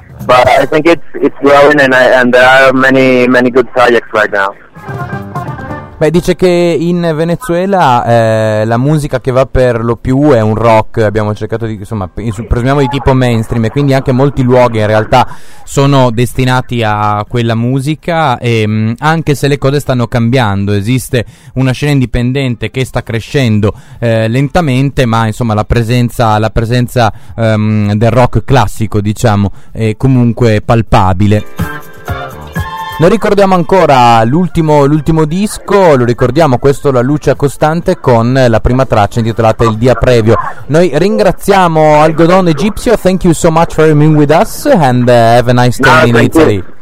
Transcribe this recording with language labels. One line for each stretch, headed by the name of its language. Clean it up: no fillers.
English: But I think it's growing, and there are many good projects right now.
Italian: Beh, dice che in Venezuela la musica che va per lo più è un rock, abbiamo cercato di, insomma, presumiamo di tipo mainstream, e quindi anche molti luoghi in realtà sono destinati a quella musica, e anche se le cose stanno cambiando, esiste una scena indipendente che sta crescendo lentamente, ma insomma la presenza del rock classico, diciamo, è comunque palpabile. Lo ricordiamo ancora, l'ultimo disco, lo ricordiamo, questo La Luce Costante, con la prima traccia intitolata Il Dia Previo. Noi ringraziamo Algodon Egizio,
English: thank you so much for being with us, and have a nice time in Italy.